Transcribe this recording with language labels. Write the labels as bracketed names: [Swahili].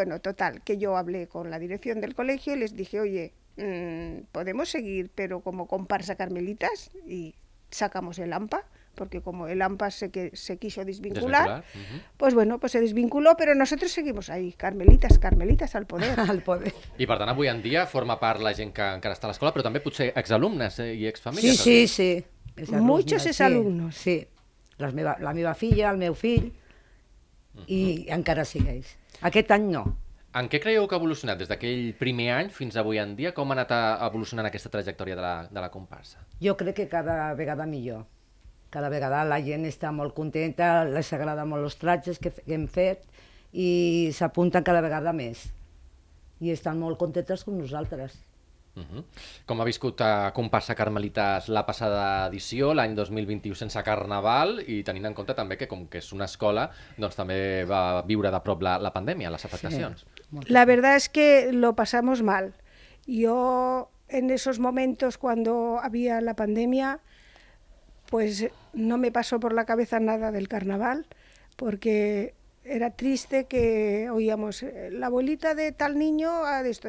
[Spanish] Bueno, total, que yo hablé con la dirección del colegio y les dije, oye, podemos seguir, pero como comparsa Carmelitas, y sacamos el AMPA, porque como el AMPA se quiso desvincular, pues bueno, pues se desvinculó, pero nosotros seguimos ahí, Carmelitas al poder. Al poder. [Catalan] I per tant, avui en dia forma part la gent que encara està a l'escola, però també potser exalumnes i exfamílies. Sí, sí, sí. [Spanish] Muchos exalumnos. [Catalan] Sí, la meva filla, el meu fill, i encara sigueix. Aquest any no. En què creieu que ha evolucionat des d'aquell primer any fins avui en dia? Com ha anat evolucionant aquesta trajectòria de la comparsa? Jo crec que cada vegada millor. Cada vegada la gent està molt contenta, les agrada molt els trajes que hem fet i s'apunten cada vegada més. I estan molt contentes com nosaltres. Com ha viscut Compassa Carmelitas la passada edició, l'any 2021 sense carnaval, i tenint en compte també que com que és una escola, doncs també va viure de prop la pandèmia, les afectacions. Sí. [Spanish] La verdad es que lo pasamos mal. Yo en esos momentos cuando había la pandemia, pues no me pasó por la cabeza nada del carnaval, porque era triste que oíamos la abuelita de tal niño a esto.